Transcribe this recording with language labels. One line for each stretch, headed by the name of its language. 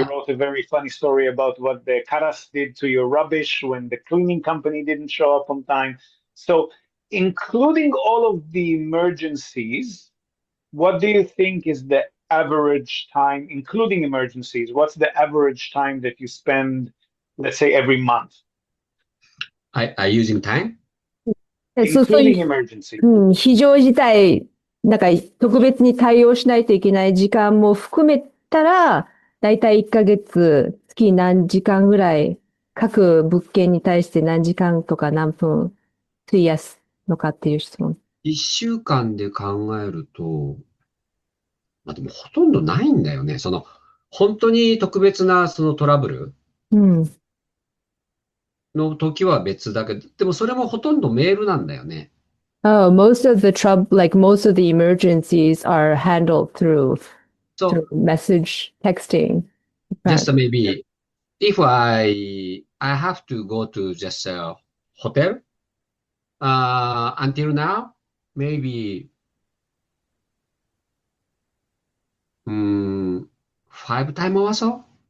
English: You wrote a very funny story about what the Karas did to your rubbish when the cleaning company didn't show up on time. So including all of the emergencies, what do you think is the average time, including emergencies, what's the average time that you spend, let's say, every month? I using time? Including emergency.
Japanese: 非常事態、なんか特別に対応しないといけない時間も含めたら、だいたい1ヶ月、月何時間ぐらい、各物件に対して何時間とか何分費やすのかっていう質問。一週間で考えると、まあでもほとんどないんだよね。その、本当に特別なそのトラブルの時は別だけど、でもそれもほとんどメールなんだよね。
English: Oh, most of the trouble, like most of the emergencies are handled through message texting. Just maybe if I have to go to just a hotel, until now, maybe 5 times or so.